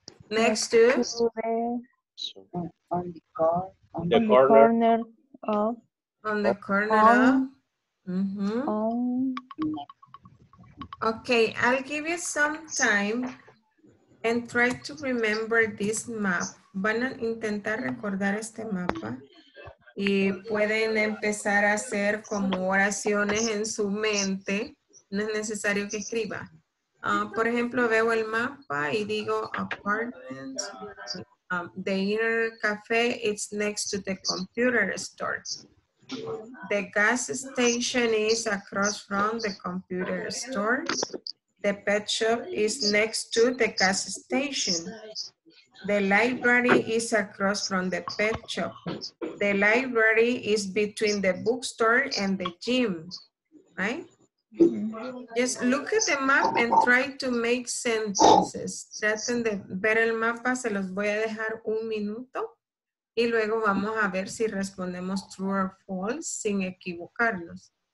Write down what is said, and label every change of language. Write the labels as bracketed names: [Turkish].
[English] next to, on the corner of, on the corner on, of, mm-hmm. Okay, I'll give you some time and try to remember this map. [Spanish] Van a intentar recordar este mapa. Y pueden empezar a hacer como oraciones en su mente. No es necesario que escriba. Por ejemplo, veo el mapa y digo apartment. [English] The inner cafe is next to the computer store. The gas station is across from the computer store. The pet shop is next to the gas station. The library is across from the pet shop. The library is between the bookstore and the gym, right? Mm-hmm. Just look at the map and try to make sentences. [Spanish] Traten de ver el mapa, se los voy a dejar un minuto y luego vamos a ver si respondemos [English] true or false [Spanish] sin equivocarnos.